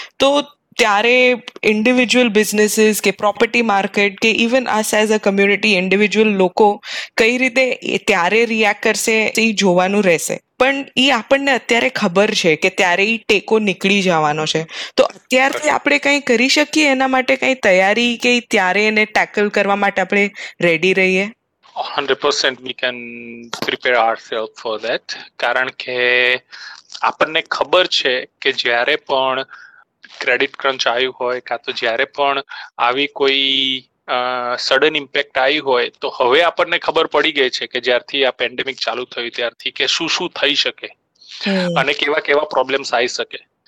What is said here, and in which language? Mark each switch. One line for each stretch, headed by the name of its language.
Gujarati: તો ત્યારે individual businesses કે પ્રોપર્ટી માર્કેટ કે
English: even us as a community
Gujarati: individual લોકો કઈ રીતે ત્યારે રિએક્ટ કરશે એ જોવાનું રહેશે. પણ એ આપણને અત્યારે ખબર છે કે ત્યારે એ ટેકો નીકળી જવાનો છે. તો અત્યારથી આપણે કંઈ કરી શકીએ એના માટે કંઈ તૈયારી કે ત્યારે એને ટેકલ કરવા માટે આપણે રેડી રહીએ?
English: 100% we can prepare ourselves for that.
Gujarati: કારણ કે આપણને ખબર છે કે જ્યારે પણ ક્રેડિટ ક્રંચ આવ્યું હોય કાં તો જ્યારે પણ આવી કોઈ સડન ઇમ્પેક્ટ આવી હોય, તો હવે આપણને ખબર પડી ગઈ છે કે જ્યારથી આ પેન્ડેમિક ચાલુ થયું ત્યારથી કે શું શું થઈ શકે અને કેવા કેવા પ્રોબ્લેમ્સ આવી શકે.